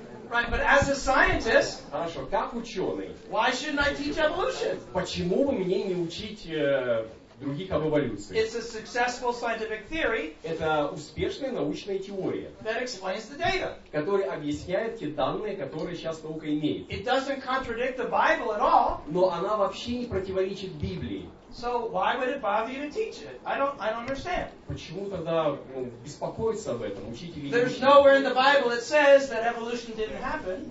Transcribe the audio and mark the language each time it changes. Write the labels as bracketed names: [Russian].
[English] Right, but as a scientist, [Russian] хорошо, как ученый, [English] why shouldn't I teach evolution? [Russian] Почему бы мне не учить других об эволюции? [English] It's a successful scientific theory. [Russian] Это успешная научная теория. [English] That explains the data. [Russian] Которая объясняет те данные, которые сейчас наука имеет. [English] It doesn't contradict the Bible at all. [Russian] Но она вообще не противоречит Библии. [English] So why would it bother you to teach it? I don't understand. [Russian] Почему тогда беспокоиться об этом, учить или не? [English] There's nowhere in the Bible that says that evolution didn't happen.